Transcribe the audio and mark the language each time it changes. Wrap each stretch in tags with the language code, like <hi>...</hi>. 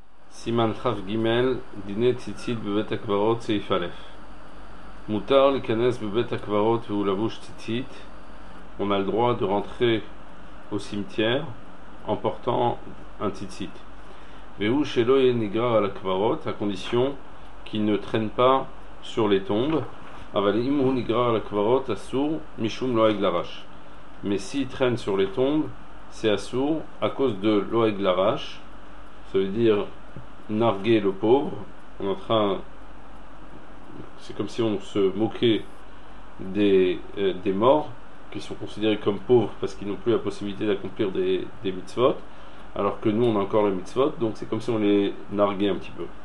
<he>סימן חף גימל, דיני ציצית בבית הקברות, סעיף א'. מותר להיכנס בבית הקברות והוא לבוש ציצית.</he> <fr>On a le droit de rentrer au cimetière en portant un ציצית.</fr> <he>והוא שלא יהיה נגרר על הקברות,</he> <fr>à condition qu'il ne traîne pas sur les tombes.</fr> <he>אבל אם הוא נגרר על הקברות, אסור משום לא הגלרש.</he> <fr>Mais s'il traîne sur les tombes, c'est</fr> <he>אסור</he> <fr>à cause de</fr> <he>לא הגלרש.</he> <fr>Ça veut dire narguer le pauvre, on est en train, c'est comme si on se moquait des morts qui sont considérés comme pauvres parce qu'ils n'ont plus la possibilité d'accomplir des mitzvot, alors que nous on a encore les mitzvot, donc c'est comme si on les narguait un petit peu.</fr>